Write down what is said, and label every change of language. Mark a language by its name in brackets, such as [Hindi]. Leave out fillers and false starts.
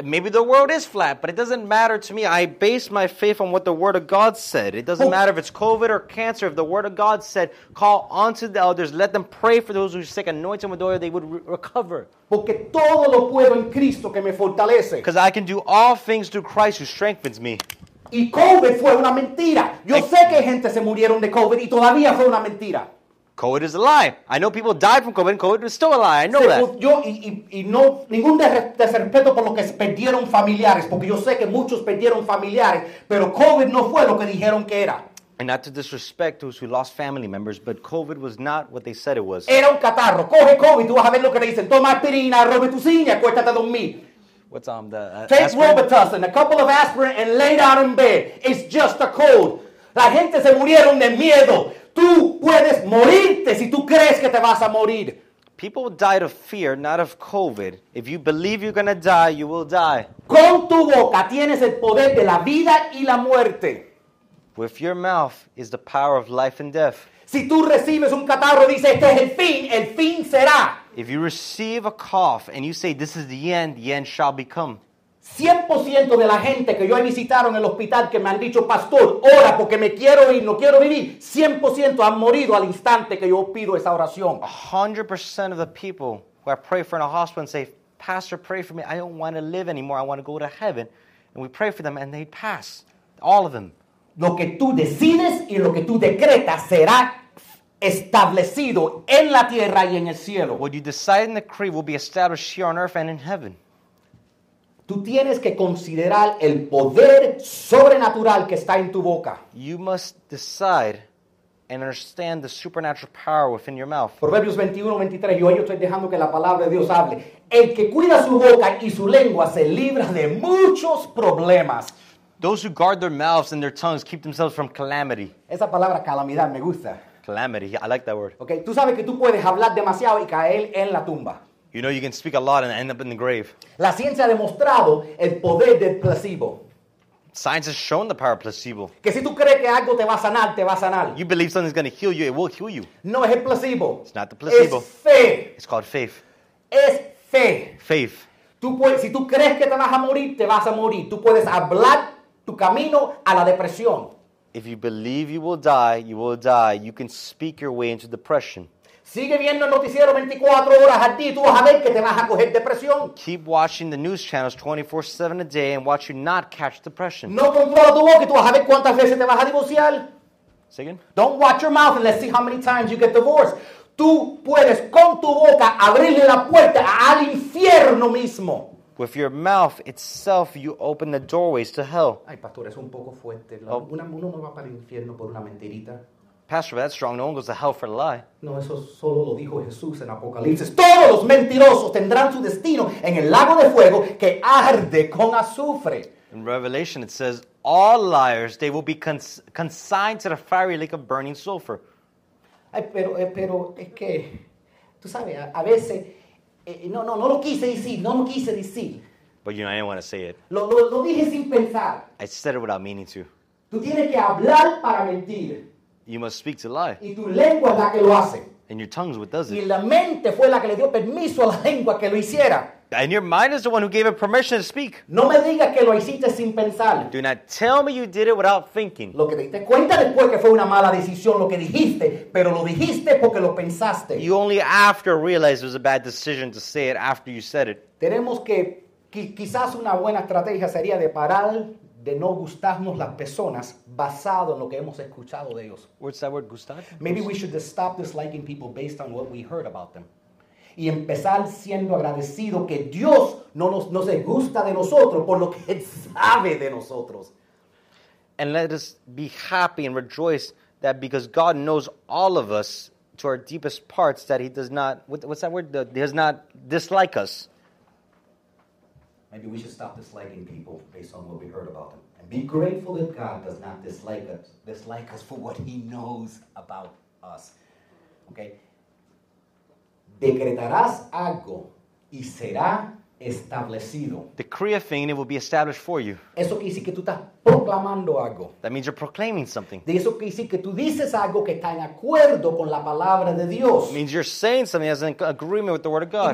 [English] Maybe the world is flat, but it doesn't matter to me. I base my faith on what the word of God said. It doesn't matter if it's COVID or cancer. If the word of God said, call unto the elders, let them pray for those who are sick, anoint them with oil, they would recover. [Spanish] Porque todo lo puedo en Cristo que me fortalece. [English] Because I can do all things through Christ who strengthens me. [Spanish] Y COVID fue una mentira. Yo sé que gente se murieron de COVID y todavía fue una mentira. [English] COVID is a lie. I know people died from COVID and COVID is still a lie. I know that. [Spanish] Yo y no ningún desrespeto por lo que perdieron familiares, porque yo sé que muchos perdieron familiares, pero COVID no fue lo que dijeron que era. [English] And not to disrespect those who lost family members, but COVID was not what they said it was. [Spanish] Era un catarro. Coge COVID, tú vas a ver lo que le dicen. Toma aspirina, robitucina, acuéstate a dormir. [English] What's on the take Robitussin, a couple of aspirin and lay down in bed. It's just a cold. [Spanish] La gente se murieron de miedo. Tú puedes morirte si tú crees que te vas a morir. [English] People died of fear, not of COVID. If you believe you're going to die, you will die. [Spanish] Con tu boca tienes el poder de la vida y la muerte. [English] With your mouth is the power of life and death. [Spanish] Si tú recibes un catarro, dice, este es el fin será. [English] If you receive a cough and you say, this is the end shall become. [Spanish] 100% de la gente que yo he visitado en el hospital que me han dicho, pastor, ora porque me quiero ir, no quiero vivir. 100% han morido al instante que yo pido esa oración. [English] 100% of the people who I pray for in a hospital and say, pastor, pray for me. I don't want to live anymore. I want to go to heaven. And we pray for them and they pass. All of them. [Spanish] Lo que tú decides y lo que tú decretas será establecido en la tierra y en el cielo. [English] What you decide and decree will be established here on earth and in heaven. [Spanish] Tú tienes que considerar el poder sobrenatural que está en tu boca. [English] You must decide and understand the supernatural power within your mouth. [Spanish] Proverbios 21:23. Yo estoy dejando que la palabra de Dios hable. El que cuida su boca y su lengua se libra de muchos problemas. [English] Those who guard their mouths and their tongues keep themselves from calamity. [Spanish] Esa palabra calamidad me gusta. [English] Calamity, I like that word. [Spanish] Okay, tú sabes que tú puedes hablar demasiado y caer en la tumba. [English] You know you can speak a lot and end up in the grave. [Spanish] La ciencia ha demostrado el poder del placebo. [English] Science has shown the power of placebo. [Spanish] Que si tú crees que algo te va a sanar, te va a sanar. [English] You believe something's going to heal you, it will heal you. [Spanish] No es el placebo. [English] It's not the placebo. [Spanish] Es fe. [English] It's called faith. [Spanish] Es fe. [English] Faith. [Spanish] Tú puedes, si tú crees que te vas a morir, te vas a morir. Tú puedes hablar tu camino a la depresión. [English] If you believe you will die, you will die. You can speak your way into depression. [Spanish] Sigue viendo el noticiero 24 horas a ti y tú vas a ver que te vas a coger depresión. [English] Keep watching the news channels 24/7 a day and watch you not catch depression. [Spanish] No controla tu boca y tú vas a ver cuántas veces te vas a divorciar. [English] Say again? Don't watch your mouth and let's see how many times you get divorced. [Spanish] Tú puedes con tu boca abrirle la puerta al infierno mismo. [English] With your mouth itself, you open the doorways to hell. [Spanish] Ay, pastor, es un poco fuerte. Uno no va para el infierno por una mentirita. [English] Pastor, but that's strong. No one goes to hell for a lie. [Spanish] No, eso solo lo dijo Jesús en Apocalipsis. Todos los mentirosos tendrán su destino en el lago de fuego que arde con azufre. [English] In Revelation, it says, all liars, they will be consigned to the fiery lake of burning sulfur. [Spanish] Ay, pero es que, tú sabes, a veces, no lo quise decir, no lo quise decir. [English] But you know, I didn't want to say it. [Spanish] Lo dije sin pensar. [English] I said it without meaning to. [Spanish] Tú tienes que hablar para mentir. [English] You must speak to lie. [Spanish] Y tu lengua es la que lo hace. [English] And your tongue is what does it. [Spanish] Y la mente fue la que le dio permiso a la lengua que lo hiciera. [English] And your mind is the one who gave it permission to speak. [Spanish] No me digas que lo hiciste sin pensar. [English] Do not tell me you did it without thinking. [Spanish] Lo que dijiste, cuenta después que fue una mala decisión lo que dijiste, pero lo dijiste porque lo pensaste. [English] You only after realized it was a bad decision to say it after you said it. [Spanish] Tenemos que, quizás una buena estrategia sería de parar de no gustarnos las personas basado en lo que hemos escuchado de ellos. [English] What's that word, gustar? Maybe we should just stop disliking people based on what we heard about them. [Spanish] Y empezar siendo agradecido que Dios no se gusta de nosotros por lo que Él sabe de nosotros. [English] And let us be happy and rejoice that because God knows all of us to our deepest parts that He does not, what's that word? He does not dislike us. Maybe we should stop disliking people based on what we heard about them. And be grateful that God does not dislike us for what He knows about us. [Spanish] Okay? Decretarás algo y será establecido. [English] Decree a thing and it will be established for you. [Spanish] Eso quiere decir que tú estás proclamando algo. [English] That means you're proclaiming something. [Spanish] De eso quiere decir que tú dices algo que está en acuerdo con la palabra de Dios. [English] It means you're saying something that's in agreement with the word of God.